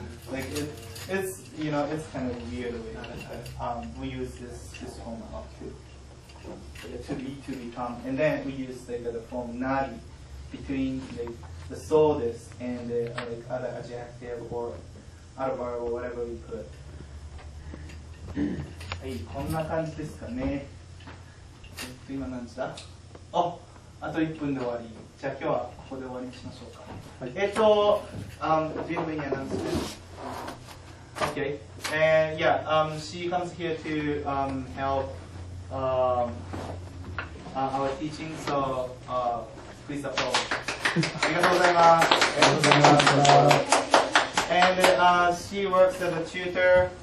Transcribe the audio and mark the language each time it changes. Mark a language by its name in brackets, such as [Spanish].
[English] Like it's you know it's kind of weird the way that we use this form of to become, and then we use like the form nari between like the soul this and the like other adjective or adverb or whatever we put. Hey, [Japanese] こんな感じですかね。今何時だ？ 7時。あ、あと1分で終わり。じゃあ今日はここで終わりにしましょうか。はい、準備にアナウンスです。 [English] Okay. And yeah, she comes here to help our teaching, so please applaud. And she works as a tutor.